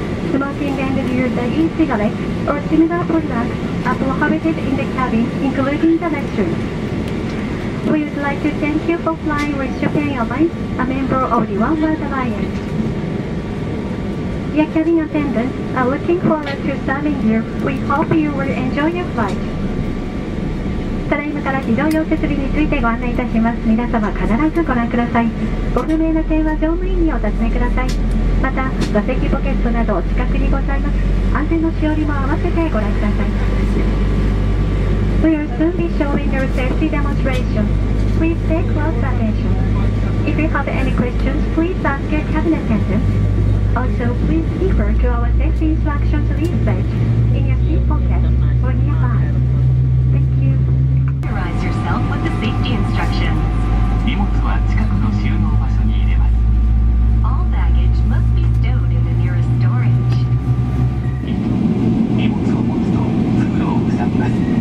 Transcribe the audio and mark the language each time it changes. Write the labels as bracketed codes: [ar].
[en] Smoking and use the e-cigarette or similar products are prohibited in the cabin, including the restroom. We would like to thank you for flying with Japan Airlines, a member of the One World Alliance. Dear cabin attendants, I'm looking forward to serving you. We hope you will enjoy your flight. [ja] ただいまから非常用設備についてご案内いたします。皆様必ずご覧ください。ご不明な点は乗務員にお尋ねください。また座席ポケットなど近くにございます。安全のしおりも合わせてご覧ください。 [en] We will soon be showing your safety demonstration. Please pay close attention. If you have any questions, please ask your cabin attendant. Also, please refer to our safety instructions leaflet in your seat pocket or nearby. Thank you. Familiarize yourself with the safety instructions. [ja] 荷物は近くの収納場所に入れます。 [en] All baggage must be stowed in the nearest storage. [ja] 荷物を持つと通路を塞ぎます。